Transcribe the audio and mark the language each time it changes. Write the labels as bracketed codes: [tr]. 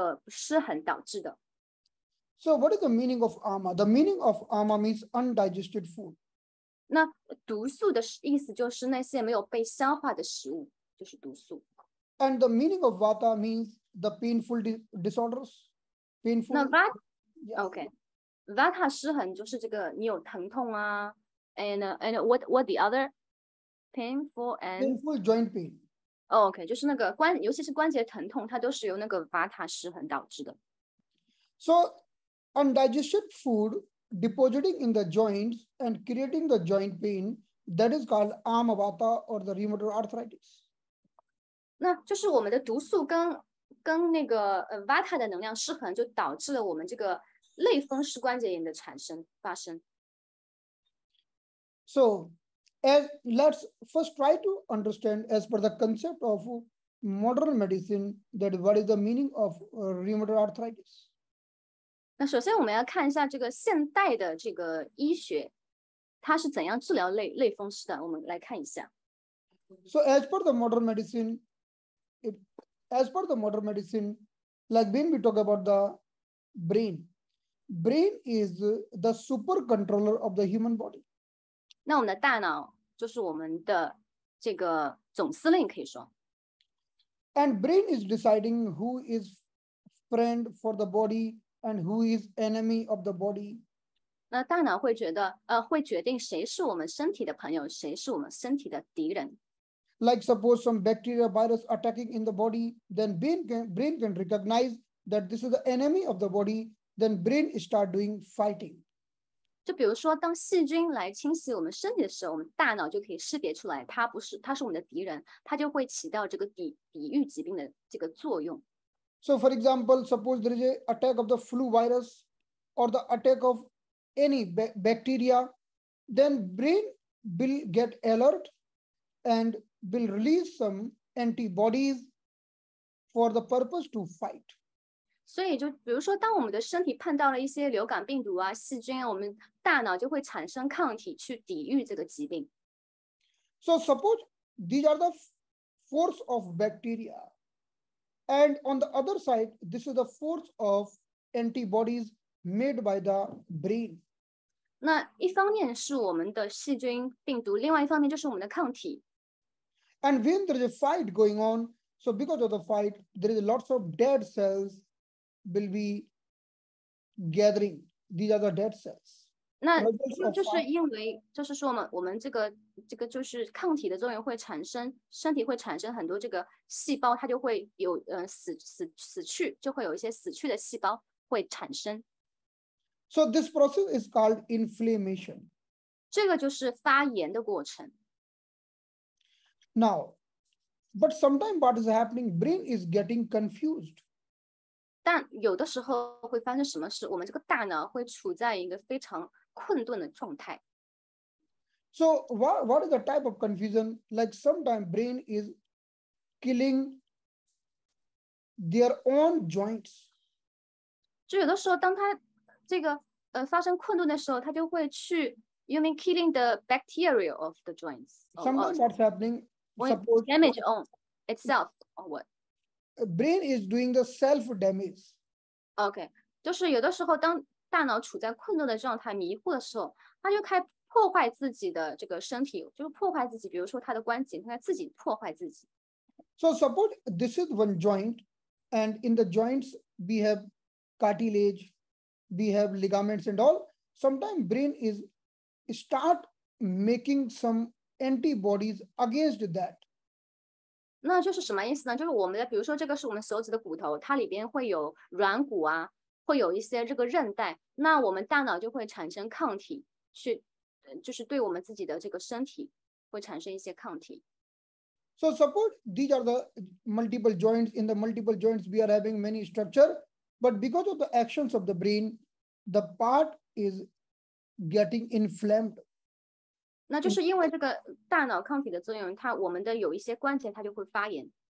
[zh] 那在阿育吠陀里边,我们称为这个类风湿关节炎,就是一个因为毒素,一个又是因为这个Vata能量的一个失衡导致的。 [en] So what is the meaning of Ama? The meaning of Ama means undigested food. [zh] 那毒素的意思就是那些没有被消化的食物,就是毒素。 [en] And the meaning of Vata means the painful disorders. Painful. [zh] Vata 失衡就是这个你有疼痛啊, [en] and what the other? Painful joint pain. [zh] Oh, okay, 就是那个关节疼痛它都是由那个 Vata 失衡导致的。 [en] So undigested food depositing in the joints and creating the joint pain, that is called Amavata or the rheumatoid arthritis. [zh] 那就是我们的毒素跟那个 Vata 的能量失衡，就导致了我们这个类风湿关节炎的产生发生。 [en] So, let's first try to understand as per the concept of modern medicine that what is the meaning of rheumatoid arthritis. [zh] 那首先我们要看一下这个现代的这个医学，它是怎样治疗类风湿的。我们来看一下。So [en] as per the modern medicine, like when we talk about the brain is the super controller of the human body. [zh] 那我们的大脑就是我们的这个总司令，可以说。 [en] And brain is deciding who is friend for the body and who is enemy of the body. [zh] 那大脑会觉得，会决定谁是我们身体的朋友，谁是我们身体的敌人。 [en] Like suppose some bacteria virus attacking in the body, then brain can recognize that this is the enemy of the body, then brain start doing fighting. [zh] 就比如说当细菌来侵袭我们身体的时候，我们大脑就可以识别出来它是我们的敌人，它就会起到这个抵御疾病的这个作用。 [en] So for example, suppose there is an attack of the flu virus or the attack of any bacteria, then brain will get alert and will release some antibodies for the purpose to fight. [zh] 所以就比如说当我们的身体碰到了一些流感病毒啊细菌啊，我们大脑就会产生抗体去抵御这个疾病。 [en] So suppose these are the force of bacteria. And on the other side, this is the force of antibodies made by the brain. [zh] 那一方面是我们的细菌病毒，另外一方面就是我们的抗体。 [en] And when there is a fight going on, so because of the fight, there is lots of dead cells will be gathering. These are the dead cells. [zh] 那就是因为就是说我们这个就是抗体的作用会产生，身体会产生很多这个细胞，它就会有死去，就会有一些死去的细胞会产生。 [en] So this process is called inflammation. [zh] 这个就是发炎的过程。 [en] Now, but sometimes what is happening, brain is getting confused. [zh] 但有的时候会发生什么事，我们这个大脑会处在一个非常困顿的状态。 [en] So what is the type of confusion? Like sometimes brain is killing their own joints. [zh] 就有的时候当它这个发生困顿的时候，它就会去 [en] you mean killing the bacteria of the joints. Sometimes what's happening? Brain is doing the self damage. [zh] Okay, 就是有的时候当大脑处在困顿的状态迷糊的时候，它就开破坏自己的这个身体，就是破坏自己，比如说它的关节，它在自己破坏自己。 [en] So suppose this is one joint, and in the joints we have cartilage, we have ligaments and all. Sometimes brain is start making some. Antibodies against that. [zh] 那就是什么意思呢？就是我们的，比如说这个是我们手指的骨头，它里边会有软骨啊，会有一些这个韧带。那我们大脑就会产生抗体，去，就是对我们自己的这个身体会产生一些抗体。 [en] So suppose these are the multiple joints. In the multiple joints, we are having many structure, but because of the actions of the brain, the part is getting inflamed. [zh] 那就是因为这个大脑抗体的作用，它我们的有一些关节它就会发炎。